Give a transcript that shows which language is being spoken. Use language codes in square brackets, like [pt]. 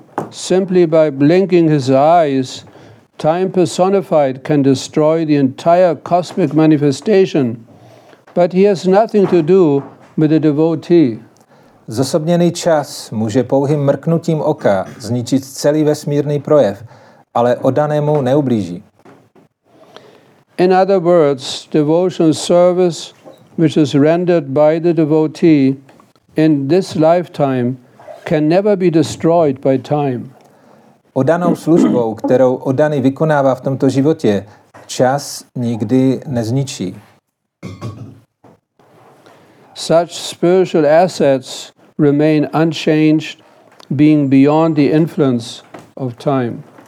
[en] Simply by blinking his eyes, time personified can destroy the entire cosmic manifestation, but he has nothing to do with the devotee. [cs] Zosobněný čas může pouhým mrknutím oka zničit celý vesmírný projev, ale oddanému neublíží. [en] In other words, devotional service, which is rendered by the devotee in this lifetime, can never be destroyed by time. [cs] Oddanou službou, kterou oddaný vykonává v tomto životě, čas nikdy nezničí. [en] Such spiritual assets remain unchanged, being beyond the influence of time.